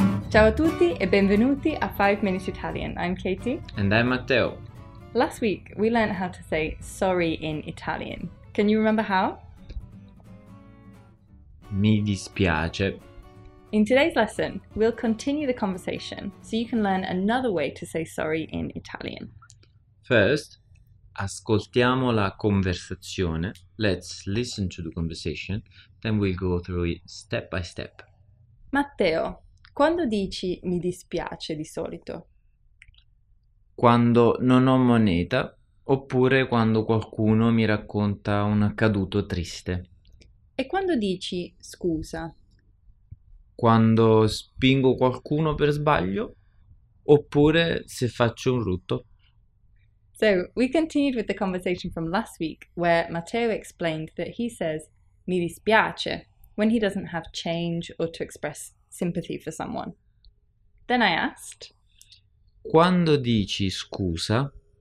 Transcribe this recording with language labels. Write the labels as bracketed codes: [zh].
[it] Ciao a tutti e benvenuti a 5 Minutes Italian. [en] I'm Katie. And I'm Matteo. Last week, we learned how to say sorry in Italian. Can you remember how? [it] Mi dispiace. [en] In today's lesson, we'll continue the conversation so you can learn another way to say sorry in Italian. First, [it] ascoltiamo la conversazione. [en] Let's listen to the conversation, then we'll go through it step by step. [it] Matteo. Quando dici mi dispiace di solito? Quando non ho moneta, oppure quando qualcuno mi racconta un accaduto triste. E quando dici scusa? Quando spingo qualcuno per sbaglio, oppure se faccio un rutto. [en] So, we continued with the conversation from last week, where Matteo explained that he says [it] mi dispiace [en] when he doesn't have change or to express sympathy for someone. Then I asked, [it] Quando dici scusa?